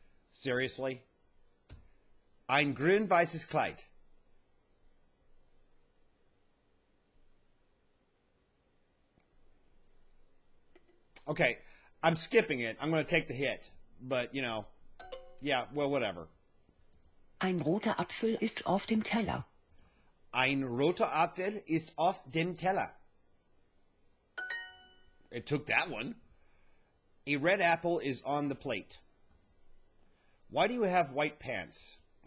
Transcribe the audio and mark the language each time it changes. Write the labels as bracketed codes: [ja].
[en] Seriously? [de] Ein grün weißes Kleid. [en] Okay, I'm skipping it. I'm going to take the hit. But, you know, yeah, well, whatever. [de] Ein roter Apfel ist auf dem Teller. Ein roter Apfel ist auf dem Teller. [en] It took that one. A red apple is on the plate. Why do you have white pants?